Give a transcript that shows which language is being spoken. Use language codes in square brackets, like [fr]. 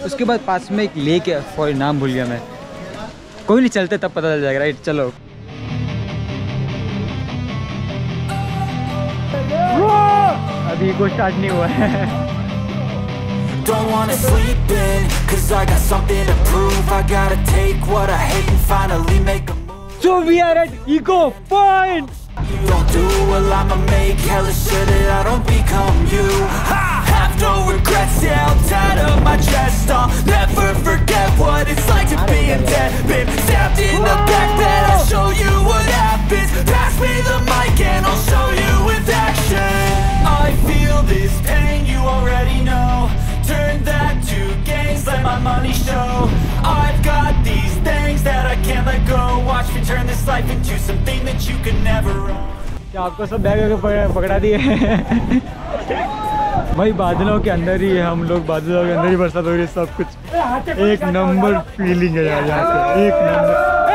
[hi] उसके बाद पास में एक लेक है, sorry नाम भूल गया मैं। कोई नहीं, चलते तब पता चल जाएगा, right? चलो। अभी इको स्टार्ट नहीं हुआ है। [en] Don't wanna sleep in, cause I got something to prove. I gotta take what I hate and finally make a move. So we are at Eco Point. You don't do well, I'ma make hella sure that I don't become you. I have no regrets, yeah, I'll tie up my chest. I'll never forget what it's like to be a dead man. Stabbed in the back bed, I'll show you what happens. Pass me the mic and I'll show you with action. I feel this pain, you already know. Turn that to gains, let my money show. I've got these things that I can't let go. Watch me turn this life into something that you could never own. [hi] क्या आपको सब bag पकड़ा दिए? भाई बादलों के अंदर ही है हम लोग, बादलों के अंदर ही बरसात हो रही है, सब कुछ एक नंबर फीलिंग है यार, यहाँ से एक नंबर।